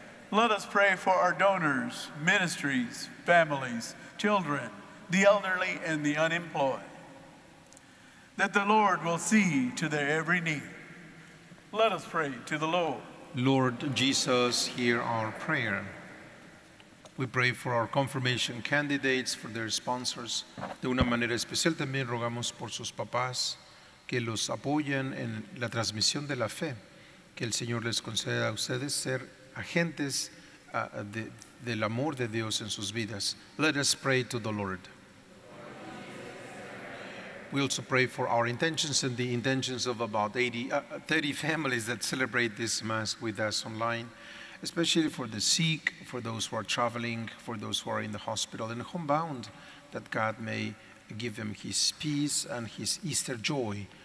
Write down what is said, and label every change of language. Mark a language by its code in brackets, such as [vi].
[en] Let us pray for our donors, ministries, families, children, the elderly, and the unemployed, that the Lord will see to their every need. Let us pray to the Lord. Lord Jesus, hear our prayer. We pray for our confirmation candidates, for their sponsors. [es] De una manera especial también rogamos por sus papás que los apoyen en la transmisión de la fe. Que el Señor les conceda a ustedes ser agentes del amor de Dios en sus vidas. [en] Let us pray to the Lord. We also pray for our intentions and the intentions of about 30 families that celebrate this Mass with us online, especially for the sick, for those who are traveling, for those who are in the hospital and homebound, that God may give them his peace and his Easter joy.